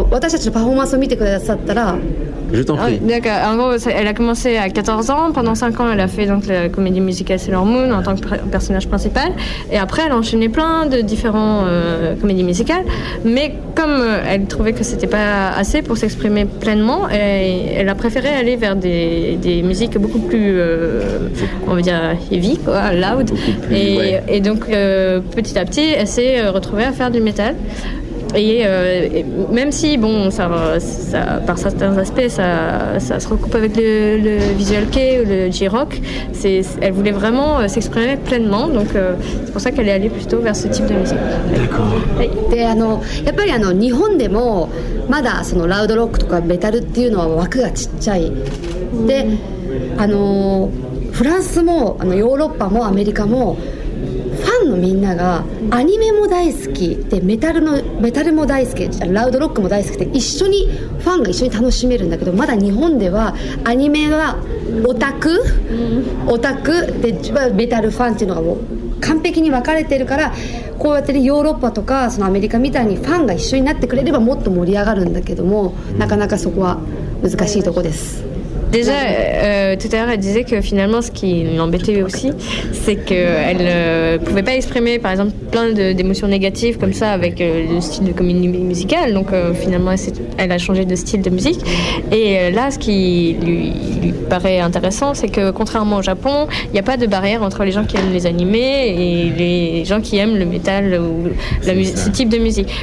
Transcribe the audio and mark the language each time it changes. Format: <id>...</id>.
<ja>例えばセーラームミュージカルがあったからこそ、これにたどり着けたっていうか、表現をするっていう、世界観を作る表現をする。私たちのパフォーマンスを見てくださったら、</ja> <fr>Je t'en prie. D'accord. En gros, elle a commencé à 14 ans. Pendant 5 ans, elle a fait donc, la comédie musicale Sailor Moon en tant que personnage principal. Et après, elle a enchaîné plein de différents comédies musicales. Mais comme elle trouvait que ce n'était pas assez pour s'exprimer pleinement, elle a préféré aller vers des musiques beaucoup plus, on va dire, heavy, quoi, loud. Et donc, petit à petit, elle s'est retrouvée à faire du métal. Et même si, bon, ça, par certains aspects, ça se recoupe avec le Visual Kei ou le J-Rock, elle voulait vraiment s'exprimer pleinement, donc c'est pour ça qu'elle est allée plutôt vers ce type de musique. D'accord.</fr> <ja>Et やっぱり日本でもまだそのラウドロックとかメタルっていうのは枠がちっちゃい。で、フランスもヨーロッパもアメリカもファンのみんながアニメも大好きで、メタルも大好き、ラウドロックも大好きで、一緒にファンが一緒に楽しめるんだけど、まだ日本ではアニメはオタク、オタクでメタルファンっていうのがもう完璧に分かれてるから、こうやってね、ヨーロッパとかそのアメリカみたいにファンが一緒になってくれればもっと盛り上がるんだけども、なかなかそこは難しいとこです。</ja> <fr>Déjà, tout à l'heure, elle disait que finalement, ce qui l'embêtait aussi, c'est qu'elle ne pouvait pas exprimer, par exemple, plein d'émotions négatives comme ça avec le style de comédie musicale. Donc finalement, elle a changé de style de musique. Et là, ce qui lui paraît intéressant, c'est que contrairement au Japon, il n'y a pas de barrière entre les gens qui aiment les animés et les gens qui aiment le métal ou ce type de musique.</fr>